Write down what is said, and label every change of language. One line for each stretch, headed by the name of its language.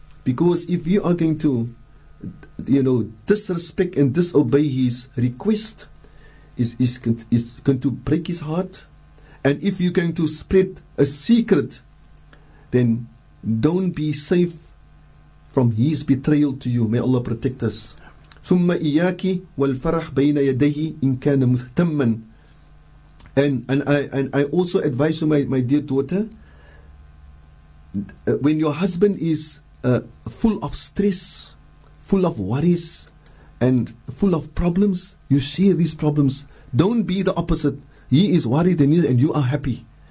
English: Because if you are going to, you know, disrespect and disobey his request, is going to break his heart. And if you're going to spread a secret, then don't be safe from his betrayal to you. May Allah protect us.
Arabic: ثم إياك والفرح بين يديه إن كان مهتما.
English: And I also advise my dear daughter, when your husband is full of stress, full of worries, and full of problems, you share these problems. Don't be the opposite. He is worried and you are happy.